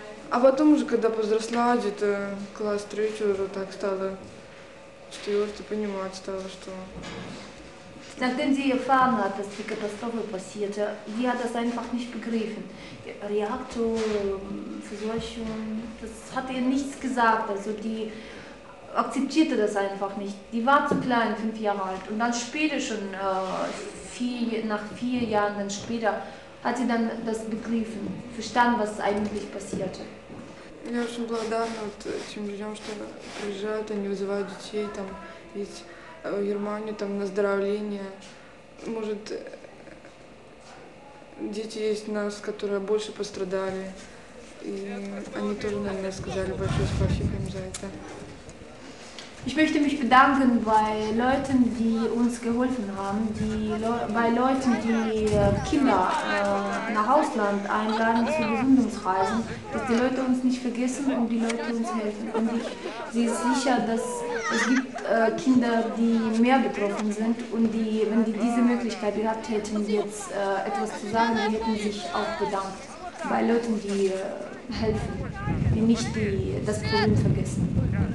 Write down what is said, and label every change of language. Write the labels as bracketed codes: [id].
[ru] А потом уже, когда повзросла, где-то класс третий уже так стало, четвертый понимать стало, что... [de] Nachdem sie erfahren hat, dass die Katastrophe passierte, sie hat das einfach nicht begriffen. Reaktor, Versorgung, das hat ihr nichts gesagt, also die akzeptierte das einfach nicht. Die war zu klein, 5 Jahre alt, und dann später schon, nach vier Jahren dann später, hat sie dann das begriffen, verstanden, was eigentlich passierte. [ru] Я очень благодарна вот тем людям, что приезжают, они вызывают детей, там, ведь в Германию, там, на оздоровление. Может, дети есть у нас, которые больше пострадали, и они тоже, наверное, сказали большое спасибо им за это. [de] Ich möchte mich bedanken bei Leuten, die uns geholfen haben, bei Leuten, die Kinder nach Ausland einladen zu Gesundungsreisen, dass die Leute uns nicht vergessen und die Leute uns helfen. Und ich sehe sicher, dass es gibt Kinder, die mehr betroffen sind und die, wenn die diese Möglichkeit gehabt hätten, jetzt etwas zu sagen, die hätten sich auch bedankt bei Leuten, die helfen, die nicht das Problem vergessen.